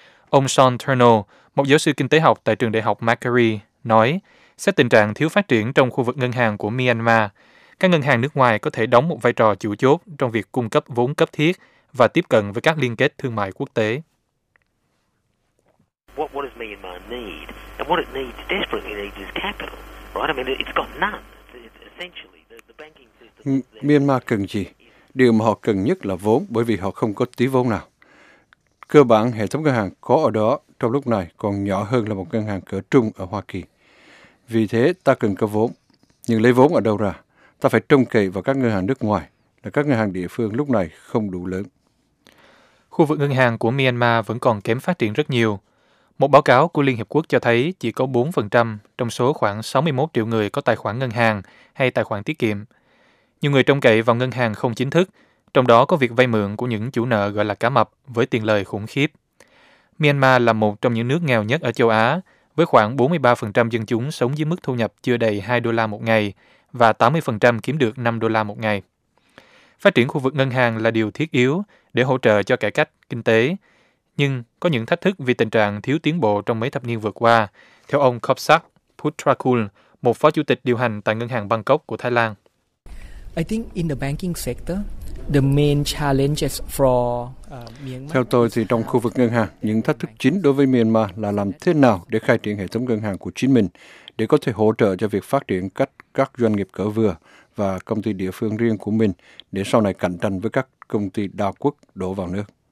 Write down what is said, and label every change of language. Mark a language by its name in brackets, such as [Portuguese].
[Vietnamese] Ông Sean Turnell, một giáo sư kinh tế học tại trường đại học Macquarie, nói, xét tình trạng thiếu phát triển trong khu vực ngân hàng của Myanmar, các ngân hàng nước ngoài có thể đóng một vai trò chủ chốt trong việc cung cấp vốn cấp thiết và tiếp cận với các liên kết thương mại quốc tế. [English] What does Myanmar need? And what it needs desperately needs is capital, right? I mean, it's got none. It's essentially, the banking system. [Vietnamese] Myanmar cần gì? Điều mà họ cần nhất là vốn, bởi vì họ không có tí vốn nào. Cơ bản, hệ thống ngân hàng có ở đó trong lúc này còn nhỏ hơn là một ngân hàng cỡ trung ở Hoa Kỳ. Vì thế, ta cần có vốn. Nhưng lấy vốn ở đâu ra? Ta phải trông cậy vào các ngân hàng nước ngoài, là các ngân hàng địa phương lúc này không đủ lớn. Khu vực ngân hàng của Myanmar vẫn còn kém phát triển rất nhiều. Một báo cáo của Liên Hiệp Quốc cho thấy chỉ có 4% trong số khoảng 61 triệu người có tài khoản ngân hàng hay tài khoản tiết kiệm. Nhiều người trông cậy vào ngân hàng không chính thức, trong đó có việc vay mượn của những chủ nợ gọi là cá mập với tiền lời khủng khiếp. Myanmar là một trong những nước nghèo nhất ở châu Á, với khoảng 43% dân chúng sống dưới mức thu nhập chưa đầy 2 đô la một ngày và 80% kiếm được 5 đô la một ngày. Phát triển khu vực ngân hàng là điều thiết yếu để hỗ trợ cho cải cách kinh tế, nhưng có những thách thức vì tình trạng thiếu tiến bộ trong mấy thập niên vừa qua, theo ông Kopsak Putrakul, một phó chủ tịch điều hành tại Ngân hàng Bangkok của Thái Lan. [English] I think in the banking sector, the main challenges for Myanmar. [Vietnamese] Theo tôi thì trong khu vực ngân hàng, những thách thức chính đối với Myanmar là làm thế nào để khai triển hệ thống ngân hàng của chính mình để có thể hỗ trợ cho việc phát triển các doanh nghiệp cỡ vừa và công ty địa phương riêng của mình để sau này cạnh tranh với các công ty đa quốc đổ vào nước.